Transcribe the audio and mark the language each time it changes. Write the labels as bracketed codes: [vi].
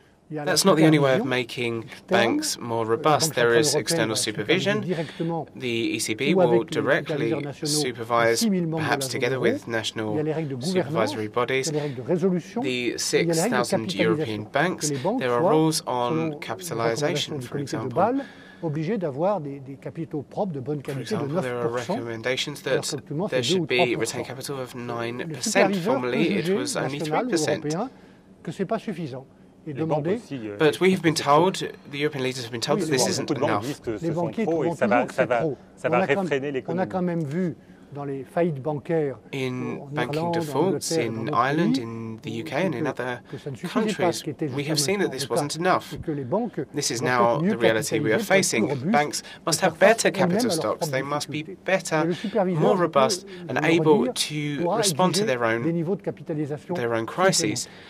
[en] That's not the only way of making banks more robust. There is external supervision. The ECB will directly supervise, perhaps together with national supervisory bodies, the 6,000 European banks. There are rules on capitalization, for example. [fr] Obligé d'avoir des capitaux propres de bonne qualité, [en] for example, [fr] de 9%, [en] there are recommendations that there should be retained capital of 9%. Formerly, it was only 3%. [fr] Que c'est pas suffisant. [en] But we have been told, the European leaders have been told, that this isn't enough. [fr] Les banquiers trouvent toujours que c'est trop. Ça va réfréner l'économie. On a quand même vu dans les faillites bancaires [en] in banking defaults in Ireland, in the UK and in other countries, we have seen that this wasn't enough. This is now the reality we are facing. Banks must have better capital stocks. They must be better, more robust, and able to respond to their own crises.